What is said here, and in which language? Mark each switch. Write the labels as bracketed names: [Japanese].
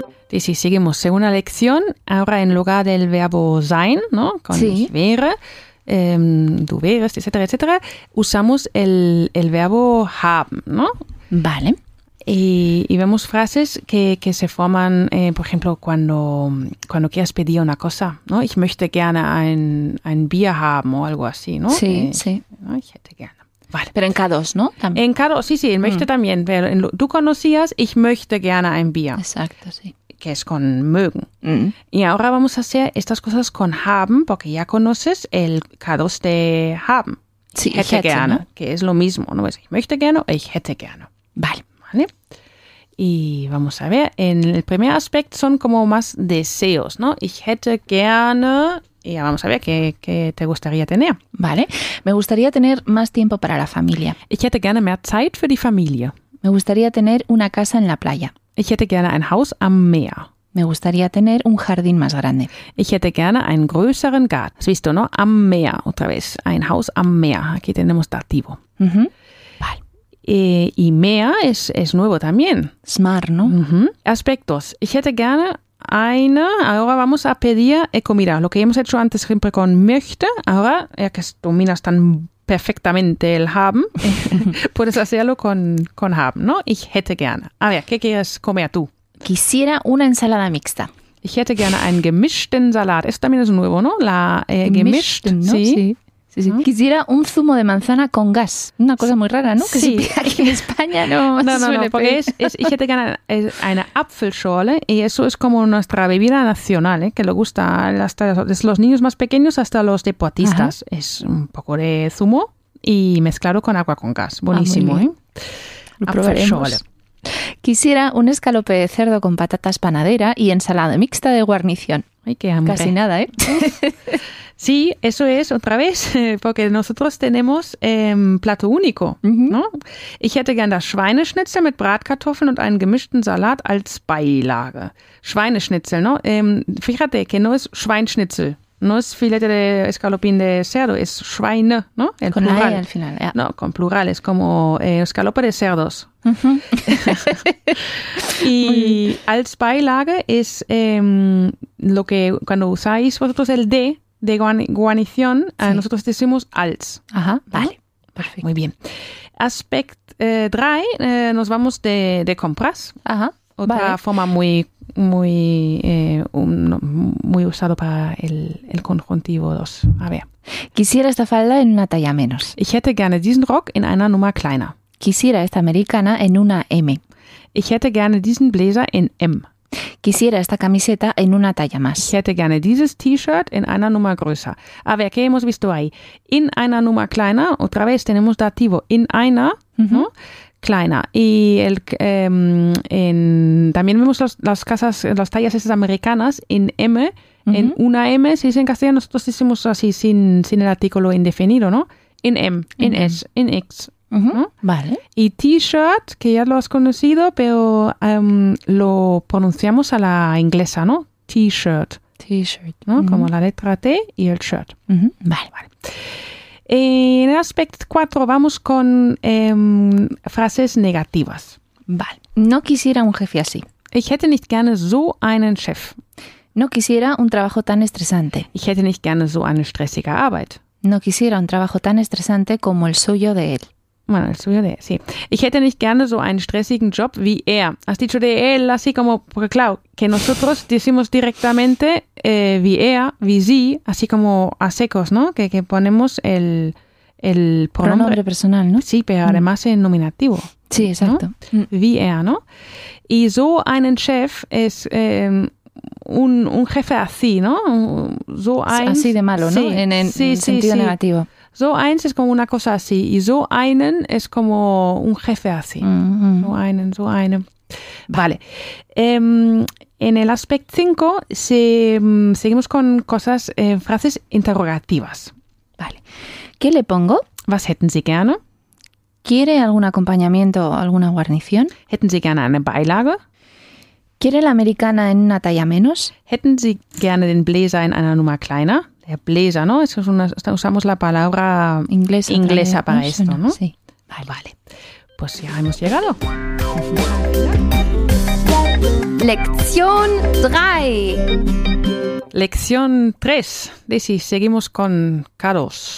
[Spanish] Y si seguimos segunda lección, ahora en lugar del verbo sein, ¿no? Con sí. [German] Ich wäre, du wärest, [Spanish] etcétera, etcétera, usamos el verbo haben, ¿no? Vale. Y vemos frases que se forman, por ejemplo, cuando quieras pedir una cosa, ¿no? [German] Ich möchte gerne ein Bier haben [Spanish] o algo así, ¿no? Sí, sí. [German] ¿No? Ich hätte gerne. Vale. [Spanish] Pero en K2, ¿no? También. En K2, sí, sí, en möchte también. Pero en tú conocías, [German] ich möchte gerne ein Bier. [Spanish] Exacto, sí. Que es con mögen. Y ahora vamos a hacer estas cosas con haben, porque ya conoces el K2 de haben. [German] Sí, ich hätte gerne. [Spanish] ¿No? Que es lo mismo, ¿no? Es [German] ich möchte gerne, ich hätte gerne. [Spanish] Vale. Vale. Y vamos a ver, en el primer aspecto son como más deseos, ¿no? [German] Ich hätte gerne... [Spanish] Y ya vamos a ver qué te gustaría tener. Vale. Me gustaría tener más tiempo para la familia. [German] Ich hätte gerne mehr Zeit für die Familie. [Spanish] Me gustaría tener una casa en la playa. [German] Ich hätte gerne ein Haus am Meer. [Spanish] Me gustaría tener un jardín más grande. [German] Ich hätte gerne einen größeren Garten. [Spanish] Has visto, ¿no? [German] Am Meer, [Spanish] otra vez. [German] Ein Haus am Meer. [Spanish] Aquí tenemos dativo. Uh-huh. Vale. Y Meer es nuevo también. Smar, ¿no? [German] Uh-huh. Aspectos. Ich hätte gerne... [Spanish] Eine, ahora vamos a pedir comida. Lo que hemos hecho antes siempre con möchte, ahora, ya que dominas tan perfectamente el haben, puedes hacerlo con haben, ¿no? [German] Ich hätte gerne. [Spanish] A ver, ¿qué quieres comer tú? Quisiera una ensalada mixta. [German] Ich hätte gerne einen gemischten Salat. [Spanish] Esto también es nuevo, ¿no? La gemischt, ¿no? Sí. Sí, sí. Quisiera un zumo de manzana con gas. Una cosa muy rara, ¿no? Que sí. Aquí en España no. No, porque es [German] ich hätte gerne eine Apfelschorle, [Spanish] y eso es como nuestra bebida nacional, que le gusta hasta los niños más pequeños hasta los deportistas. Ajá. Es un poco de zumo y mezclado con agua con gas. Buenísimo, Apfelschorle. Quisiera un escalope de cerdo con patatas panadera y ensalada mixta de guarnición. Ay, qué hambre. Casi nada, ¿eh? Sí, eso es, otra vez, porque nosotros tenemos plato único, ¿no? [German] Ich hätte gern das Schweineschnitzel mit Bratkartoffeln und einen gemischten Salat als Beilage. [Spanish] Schweineschnitzel, ¿no? Fíjate que no es Schweinschnitzel, no es filete de escalopín de cerdo, es Schweine, ¿no? El con plural. Al final, ya. No, con plural, es como escalope de cerdos. Y als Beilage es lo que, cuando usáis vosotros el de guarnición, sí. Nosotros decimos als. Ajá, vale. ¿No? Perfecto. Muy bien. Aspect 3, nos vamos de compras. Ajá, otra vale. Forma muy, muy, muy usado para el conjuntivo 2. A ver. Quisiera esta falda en una talla menos. [German] Ich hätte gerne diesen Rock in einer Nummer kleiner. [Spanish] Quisiera esta americana en una M. [German] Ich hätte gerne diesen Blazer in M. [Spanish] Quisiera esta camiseta en una talla más. [German] Ich hätte gerne dieses T-Shirt in einer Nummer größer. [Spanish] A ver, ¿qué hemos visto ahí? [German] In einer Nummer kleiner, [Spanish] otra vez tenemos dativo [German] in einer, [Spanish] ¿no? Kleiner. Y el, también vemos las casas, las tallas esas americanas in M, en una M, si es en castellano, nosotros decimos así sin el artículo indefinido, ¿no? [German] In M, in S, in X. [Spanish] Uh-huh. ¿No? Vale. Y T-shirt, que ya lo has conocido, pero lo pronunciamos a la inglesa, ¿no? T-shirt. T-shirt. ¿No? Uh-huh. Como la letra T y el shirt. Uh-huh. Vale, vale. En el aspecto 4 vamos con frases negativas. Vale. No quisiera un jefe así. [German] Ich hätte nicht gerne so einen Chef. [Spanish] No quisiera un trabajo tan estresante. [German] Ich hätte nicht gerne so eine stressige Arbeit. [Spanish] No quisiera un trabajo tan estresante como el suyo de él. Bueno, el suyo de sí. [German] Ich hätte nicht gerne so einen stressigen Job wie er. [Spanish] Has dicho de él así como, porque claro, que nosotros decimos directamente [German] wie er, wie sie, [Spanish] así como a secos, ¿no? Que ponemos el pronombre personal, ¿no? Sí, pero además en nominativo. Sí, exacto. ¿No? [German] Wie er, [Spanish] ¿no? Y [German] so einen Chef [Spanish] es un jefe así, ¿no? [German] So ein... [Spanish] Así de malo, ¿no? Sí, en sentido negativo. [German] So eins [Spanish] es como una cosa así, y [German] so einen [Spanish] es como un jefe así. Mm-hmm. [German] So einen, so einen. Vale. [Spanish] En el aspecto 5 seguimos con cosas, frases interrogativas. Vale. ¿Qué le pongo? [German] Was hätten Sie gerne? [Spanish] ¿Quiere algún acompañamiento o alguna guarnición? [German] Hätten Sie gerne eine Beilage? [Spanish] ¿Quiere la americana en una talla menos? [German] Hätten Sie gerne den Bläser in einer Nummer kleiner? [Spanish] Bläser, ¿no? Eso es una, usamos la palabra inglesa para esto, ¿no? Sí. Vale. Vale. Pues ya hemos llegado. Lección 3. Lección 3. Daisy, seguimos con caros.